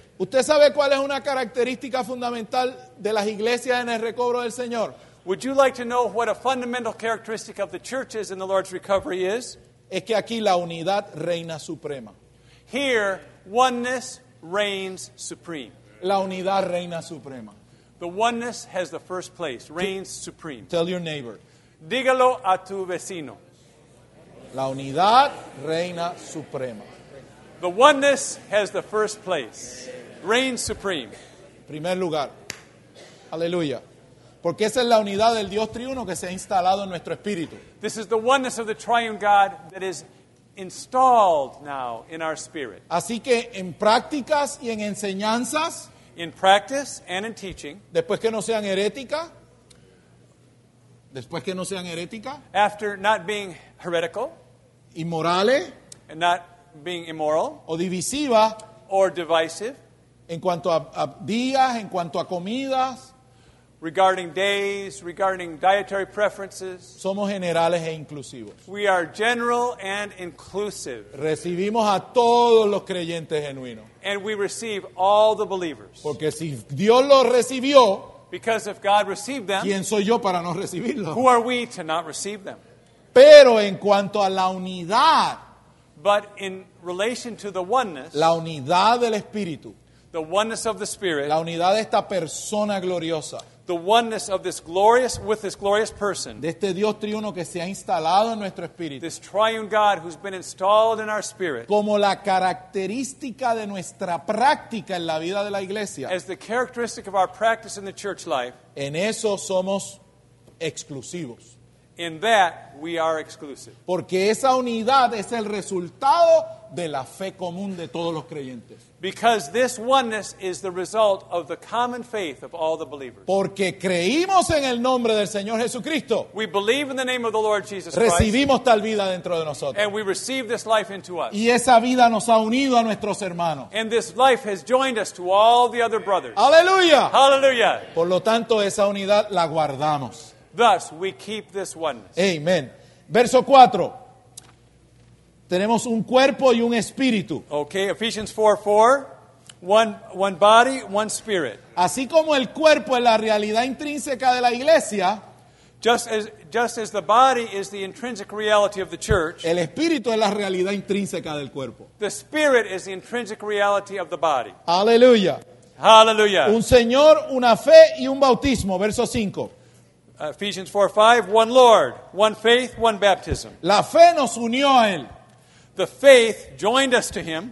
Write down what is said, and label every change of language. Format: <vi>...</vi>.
<es>¿Usted sabe cuál es una característica fundamental de las iglesias en el recobro del Señor?</es> <en>Would you like to know what a fundamental characteristic of the churches in the Lord's recovery is?</en> <es>Es que aquí la unidad reina suprema.</es> <en>Here, oneness reigns supreme.</en> <es>La unidad reina suprema.</es> <en>The oneness has the first place, reigns supreme. Tell your neighbor.</en> <es>Dígalo a tu vecino. La unidad reina suprema.</es> <en>The oneness has the first place, reigns supreme.</en> <es>Primer lugar. Aleluya. Porque esa es la unidad del Dios triuno que se ha instalado en nuestro espíritu.</es> <en>This is the oneness of the triune God that is installed now in our spirit.</en> <es>Así que en prácticas y en enseñanzas,</es> <en>in practice and in teaching,</en> <es>después que no sean herética, después que no sean herética,</es> <en>after not being heretical,</en> <es>inmorales,</es> <en>and not being immoral,</en> <es>o divisiva,</es> <en>or divisive,</en> <es>en cuanto a días, en cuanto a comidas,</es> <en>regarding days, regarding dietary preferences.</en> <es>Somos generales e inclusivos.</es> <en>We are general and inclusive.</en> <es>Recibimos a todos los creyentes genuinos.</es> <en>And we receive all the believers.</en> <es>Porque si Dios los recibió,</es> <en>because if God received them,</en> <es>¿quién soy yo para no recibirlos?</es> <en>Who are we to not receive them?</en> <es>Pero en cuanto a la unidad,</es> <en>but in relation to the oneness,</en> <es>la unidad del Espíritu,</es> <en>the oneness of the Spirit,</en> <es>la unidad de esta persona gloriosa,</es> <en>the oneness of this glorious, with this glorious person,</en> <es>de este Dios triuno que se ha instalado en nuestro espíritu,</es> <en>this triune God who's been installed in our spirit,</en> <es>como la característica de nuestra práctica en la vida de la iglesia,</es> <en>as the characteristic of our practice in the church life,</en> <es>en eso somos exclusivos.</es> <en>In that we are exclusive.</en> <es>Porque esa unidad es el resultado de la fe común de todos los creyentes.</es> <en>Because this oneness is the result of the common faith of all the believers.</en> <es>Porque creímos en el nombre del Señor Jesucristo.</es> <en>We believe in the name of the Lord Jesus Christ.</en> <es>Recibimos tal vida dentro de nosotros.</es> <en>And we receive this life into us.</en> <es>Y esa vida nos ha unido a nuestros hermanos.</es> <en>And this life has joined us to all the other brothers.</en> <es>¡Aleluya!</es> <en>Hallelujah.</en> <es>Por lo tanto, esa unidad la guardamos.</es> <en>Thus we keep this oneness.</en> <es>Amen. Verso 4. Tenemos un cuerpo y un espíritu.</es> <en>Okay, Ephesians 4:4. One body, one spirit.</en> <es>Así como el cuerpo es la realidad intrínseca de la iglesia,</es> <en>just as the body is the intrinsic reality of the church,</en> <es>el espíritu es la realidad intrínseca del cuerpo.</es> <en>The spirit is the intrinsic reality of the body.</en> <es>Aleluya.</es> <en>Hallelujah.</en> <es>Un Señor, una fe y un bautismo, verso 5.</es> <en>Ephesians 4:5, one Lord, one faith, one baptism.</en> <es>La fe nos unió a él.</es> <en>The faith joined us to him.</en>